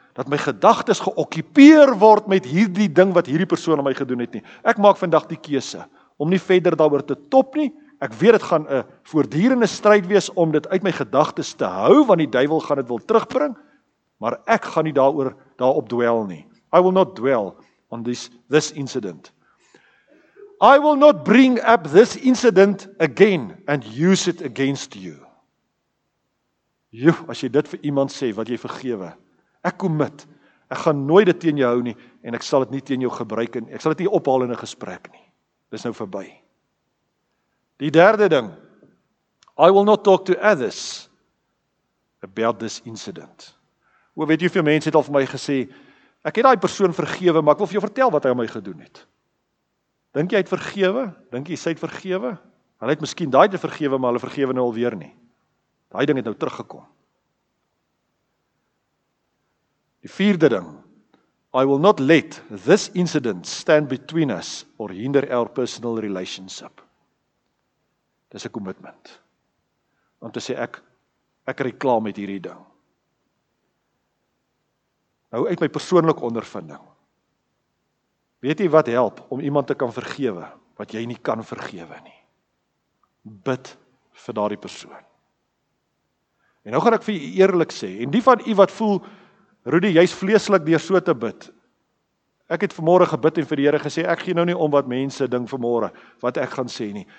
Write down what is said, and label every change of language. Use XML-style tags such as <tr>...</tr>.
<af>dat my gedagtes geokkupeer word met hierdie ding wat hierdie persoon aan my gedoen het nie. Ek maak vandag die keuse om nie verder daaroor te top nie. Ek weet dit gaan 'n voortdurende stryd wees om dit uit my gedagtes te hou, want die duiwel gaan dit wil terugbring, maar ek gaan nie daaroor daarop dwel nie.</af> <en>I will not dwell on this incident. I will not bring up this incident again and use it against you.</en> <af>Joe, as jy dit vir iemand sê wat jy vergewe, ek commit, ek gaan nooit dit teen jou hou nie en ek sal dit nie teen jou gebruik en ek sal dit nie ophaal in 'n gesprek nie. Dis nou verby. Die derde ding,</af> <en>I will not talk to others about this incident.</en> <af>O, weet jy, veel mense het al vir my gesê, ek het die persoon vergewe, maar ek wil vir jou vertel wat hy aan my gedoen het. Dink jy hy het vergewe? Dink jy sy het vergewe? Hulle het miskien daai te vergewe, maar hulle vergewe nou alweer nie. Daai ding het nou teruggekom. Die vierde ding,</af> <en>I will not let this incident stand between us or hinder our personal relationship.</en> <af>Dis 'n commitment. Om te sê ek is klaar met hierdie ding. Nou uit my persoonlike ondervinding. Weet jy wat help om iemand te kan vergewe wat jy nie kan vergewe nie? Bid vir daardie persoon. En nou gaan ek vir u eerlik sê, en die van u wat voel Rudy, jy's vleeslik deur so te bid. Ek het vanmôre gebid en vir die Here gesê, ek gee nou nie om wat mense ding vanmôre wat ek gaan sê nie.</af>